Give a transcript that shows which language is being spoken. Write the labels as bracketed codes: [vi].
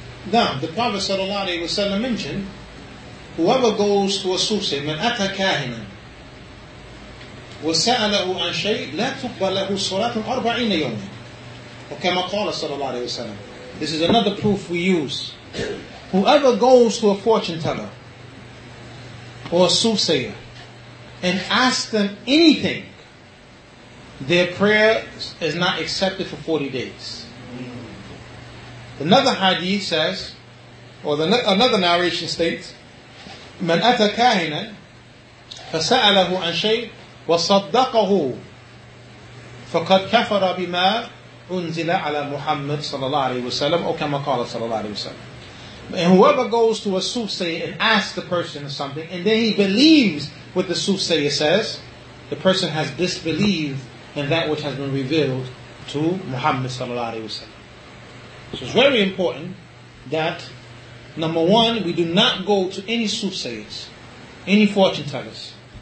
[en] Now, the Prophet sallallahu alayhi wa sallam mentioned, whoever goes to a soothsayer, [ar] من أتى كاهنا وسأله عن شيء لا تقبل له صلاة 40 يوما وكما قال صلى الله عليه وسلم. [en] This is another proof we use. Whoever goes to a fortune teller or a soothsayer and asks them anything, their prayer is not accepted for 40 days. Another hadith says, or another narration states, [ar] من أتى كاهنا فسأله عن شيء وصدقه فقد كفر بما أنزل على محمد صلى الله عليه وسلم أو كما قال صلى الله عليه وسلم. [en] And whoever goes to a soothsayer and asks the person something and then he believes what the soothsayer says, the person has disbelieved in that which has been revealed to Muhammad صلى الله عليه وسلم. So it's very important that number one, we do not go to any soothsayers, any fortune tellers.